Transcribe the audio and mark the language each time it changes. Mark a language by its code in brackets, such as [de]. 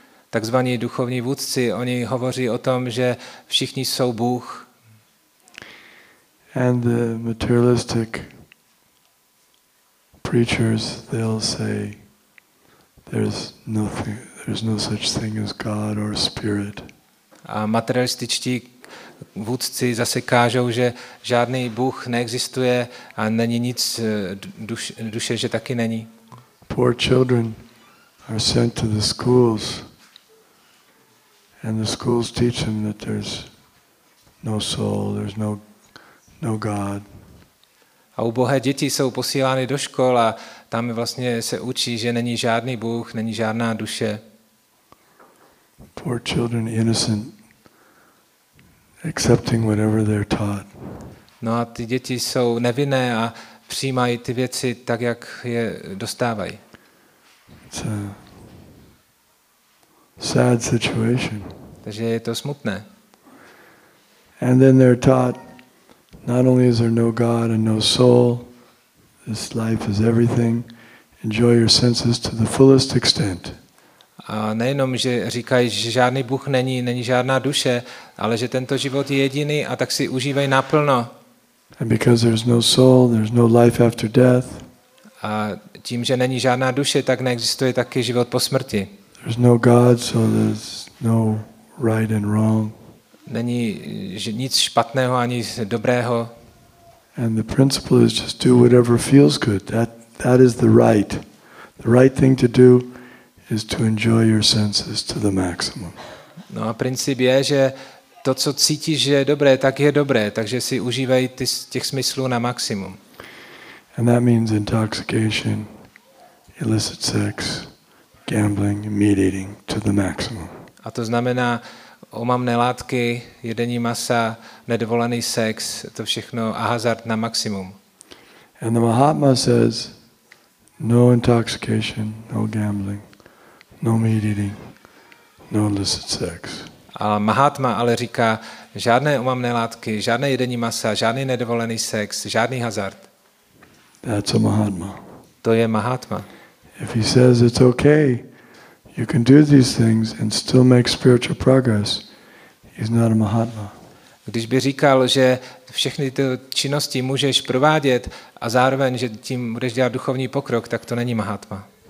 [cs] Takzvaní duchovní vůdci, oni hovoří o tom, že všichni jsou Bůh. [en] And the materialistic preachers, they'll say there's no such thing as God or spirit. [cs] A materialističtí vůdci zase kážou, že žádný Bůh neexistuje a není nic duše, že taky není. [en] Poor children are sent to the schools and the schools teach them that there's no soul, there's no God. [cs] A ubohé děti jsou posílány do škol a tam vlastně se učí, že není žádný Bůh, není žádná duše. [en] Poor children, innocent, accepting whatever they're taught. [cs] No a ty děti jsou nevinné a přijímají ty věci tak, jak je dostávají. [en] It's a sad situation. [cs] Takže je to smutné. [en] And then they're taught, not only is there no God and no soul, this life is everything. Enjoy your senses to the fullest extent. [cs] A nejenom, že říkají, že žádný Bůh není, není žádná duše, ale že tento život je jediný a tak si užívej naplno. [en] And because there's no soul, there's no life after death. [cs] A tím, že není žádná duše, tak neexistuje taky život po smrti. [en] There's no God, so there's no right and wrong. [cs] Není nic špatného ani dobrého. [en] And the principle is just do whatever feels good. That is the right. The right thing to do is to enjoy your senses to the maximum. [cs] No a princip je, že to, co cítíš, že je dobré, tak je dobré, takže si užívej těch smyslů na maximum. [en] And that means intoxication, illicit sex, gambling, meat eating to the maximum. [cs] A to znamená omamné látky, jedení masa, nedovolený sex, to všechno a hazard na maximum. [en] And the Mahatma says, no intoxication, no gambling, no meat eating, no illicit sex. [cs] A Mahatma ale říká, žádné omamné látky, žádné jedení masa, žádný nedovolený sex, žádný hazard. [en] That's a Mahatma. [cs] To je Mahatma. [en] If he says it's okay, you can do these things and still make spiritual progress, he's not a Mahatma. [cs] Když by říkal, že všechny ty činnosti můžeš provádět a zároveň, že tím budeš dělat duchovní pokrok, tak to není Mahatma.